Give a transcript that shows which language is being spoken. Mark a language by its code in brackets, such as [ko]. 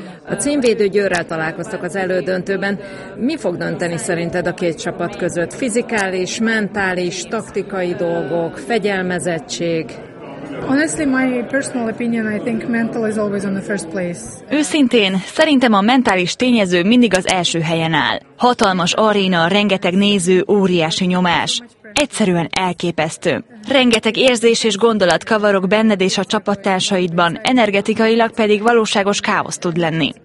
[hu] A címvédő Győrrel találkoztak az elődöntőben. Mi fog dönteni szerinted a két csapat között? Fizikális, mentális, taktikai dolgok, fegyelmezettség? [en] Honestly, my personal opinion, I think mental is always on the first place. [hu] Őszintén, szerintem a mentális tényező mindig az első helyen áll. Hatalmas aréna, rengeteg néző, óriási nyomás. Egyszerűen elképesztő. Rengeteg érzés és gondolat kavarok benned és a csapattársaidban, energetikailag pedig valóságos káosz tud lenni.